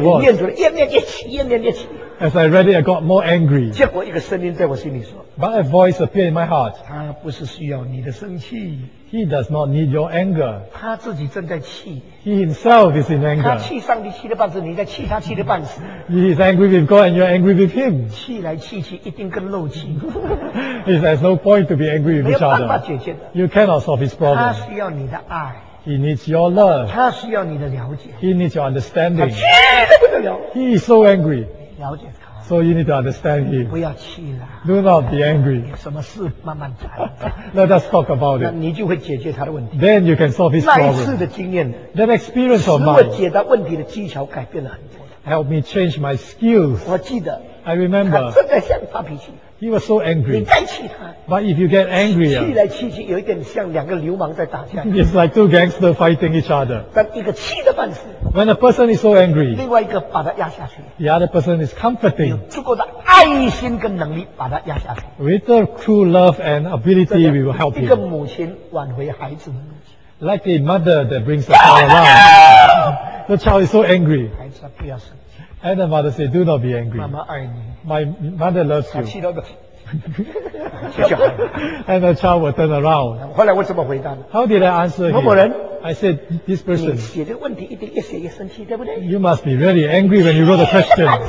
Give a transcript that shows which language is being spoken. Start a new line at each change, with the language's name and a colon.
Chinese: 所以我念出来，念念念起，念念念起。
English: As I read it, I got more angry.
Chinese: 结果一个声音在我心里说
English: ，But a voice appeared in my heart.
Chinese: 他不是需要你的生气。
English: He does not need your anger.
Chinese: 他自己正在气。
English: He himself is in anger.
Chinese: 他气上帝气得半死，你在气他气得半死。
English: He is angry with God, and you are angry with him.
Chinese: 气来气去，一定更漏气。
English: It has no point to be angry with each other.
Chinese: 没有办法解决的。
English: You cannot solve his problem.
Chinese: 他需要你的爱。
English: He needs your love.
Chinese: 他需要你的了解。
English: He needs your understanding.
Chinese: 他气得不得了。
English: He is so angry.
Chinese: 了解他。
English: So you need to understand him.
Chinese: 不要气了。
English: Do not be angry.
Chinese: 什么事慢慢谈。
English: Let us talk about it.
Chinese: 那你就会解决他的问题。
English: Then you can solve his problem.
Chinese: 那一次的经验。
English: That experience of mine.
Chinese: 使我解答问题的技巧改变了很多。
English: Help me change my skills.
Chinese: 我记得。
English: I remember.
Chinese: 他正在向发脾气。
English: He was so angry.
Chinese: 你再气他。
English: But if you get angrier,
Chinese: 气来气去有一点像两个流氓在打架。
English: It's like two gangsters fighting each other.
Chinese: 但一个气得半死。
English: When a person is so angry,
Chinese: 另外一个把他压下去。
English: The other person is comforting.
Chinese: 有足够的爱心跟能力把他压下去。
English: With the true love and ability, we will help him.
Chinese: 一个母亲挽回孩子。
English: Like a mother that brings a child around. The child is so angry.
Chinese: 孩子不要生。
English: And the mother said, do not be angry.
Chinese: 妈妈爱你。
English: My mother loves you.
Chinese: 她气到个
English: And the child will turn around.
Chinese: 后来我怎么回答呢?
English: How did I answer him?
Chinese: 某某人,
English: I said, this person,
Chinese: 你写的问题一定越写越生气, 对不对?
English: You must be really angry when you wrote the question.